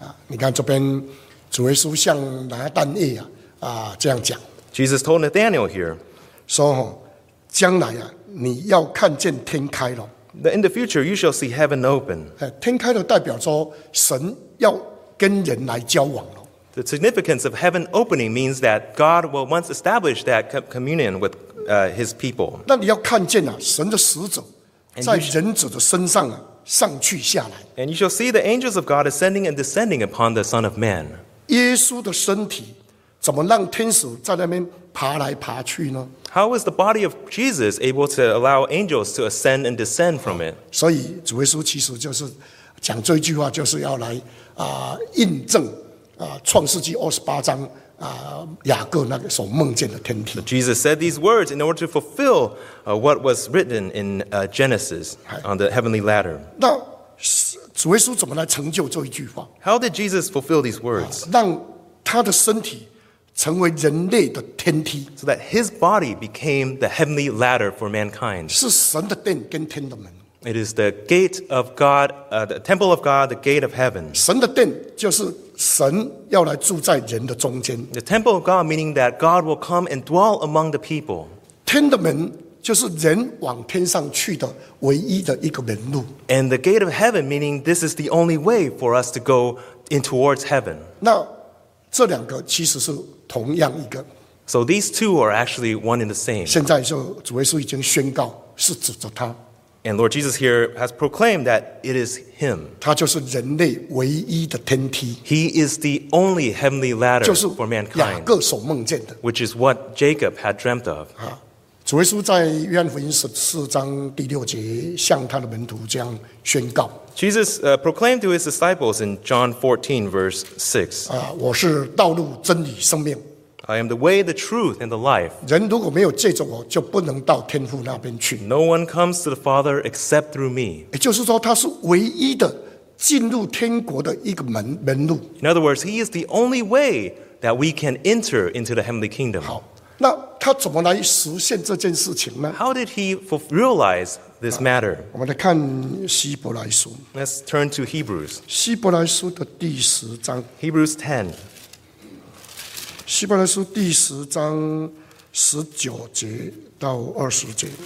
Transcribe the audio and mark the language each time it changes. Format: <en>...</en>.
<zh>你看这边主耶稣向拿但业啊，这样讲。</zh> <en>Jesus told Nathanael here,</en> <zh>说，将来啊，你要看见天开了。</zh> <en>That in the future you shall see heaven open.</en> <zh>天开了代表说神要跟人来交往了。</zh> <en>The significance of heaven opening means that God will once establish that communion with his people.</en> <zh>那你要看见啊，神的使者在人子的身上啊上去下来。</zh> <en>And you shall see the angels of God ascending and descending upon the Son of Man.</en> <zh>耶稣的身体。怎么让天使在那边爬来爬去呢？</zh> <en>How is the body of Jesus able to allow angels to ascend and descend from it?</en> <zh>所以主耶稣其实就是讲这句话，就是要来印证创世纪二十八章雅各那个所梦见的天梯。</zh> <en>Jesus said these words in order to fulfill what was written in Genesis on the heavenly ladder.</en> <zh>那主耶稣怎么来成就这一句话？</zh> <en>How did Jesus fulfill these words?</en> <zh>让他的身体成为人类的天梯</zh> <en>，so that his body became the heavenly ladder for mankind.</en> <zh>是神的殿跟天的门。</zh> <en>It is the gate of God, the temple of God, the gate of heaven.</en> <zh>神的殿就是神要来住在人的中间。</zh> <en>The temple of God meaning that God will come and dwell among the people.</en> <zh>天的门就是人往天上去的唯一的一个门路。</zh> <en>And the gate of heaven meaning this is the only way for us to go in towards heaven.</en> <zh>那这两个其实是同样一个。</zh> <en>So these two are actually one in the same.</en> <zh>现在就主耶稣已经宣告是指着他。</zh> <en>And Lord Jesus here has proclaimed that it is him.</en> <zh>他就是人类唯一的天梯。</zh> <en>He is the only heavenly ladder for mankind.</en> <zh>就是雅各所梦见的。</zh> <en>Which is what Jacob had dreamt of.</en> <zh>主耶稣在约翰福音十四章第六节向他的门徒这样宣告。</zh> <en>Jesus proclaimed to his disciples in John 14, verse 6.</en> <zh>我是道路、真理、生命。</zh> <en>I am the way, the truth, and the life.</en> <zh>人如果没有借着我，就不能到天父那边去。</zh> <en>No one comes to the Father except through me.</en> <zh>也就是说，他是唯一的进入天国的一个门路。</zh> <en>In other words, he is the only way that we can enter into the heavenly kingdom.</en> <zh>好，那他怎么来实现这件事情呢？</zh> <en>How did he realize this matter?</en> <zh>我们来看希伯来书。</zh> <en>Let's turn to Hebrews.</en> <zh>希伯来书的第十章。</zh> <en>Hebrews 10.</en> <zh>希伯来书第十章十九节到二十节。</zh>